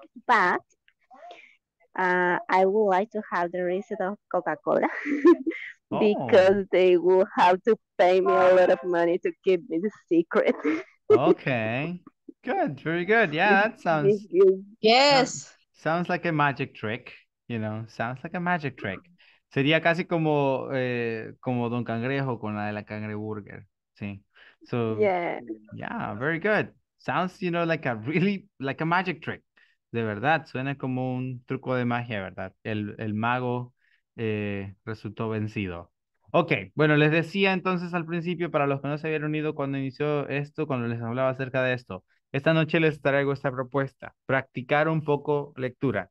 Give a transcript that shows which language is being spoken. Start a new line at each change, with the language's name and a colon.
English: But I would like to have the recipe of Coca-Cola because they will have to pay me a lot of money to keep me the secret. Okay, good, very good. Yeah, that sounds... Yes. Sounds like a magic trick, you know, sounds like a magic trick.
Spanish: Sería casi como como Don Cangrejo con la de la Cangreburger, sí.
English: So yeah, very good. Sounds, you know, like a really like a magic trick.
Spanish: De verdad, suena como un truco de magia, ¿verdad? El mago resultó vencido. Okay, bueno, les decía entonces al principio para los que no se habían unido cuando inició esto, cuando les hablaba acerca de esto. Esta noche les traigo esta propuesta, practicar un poco lectura.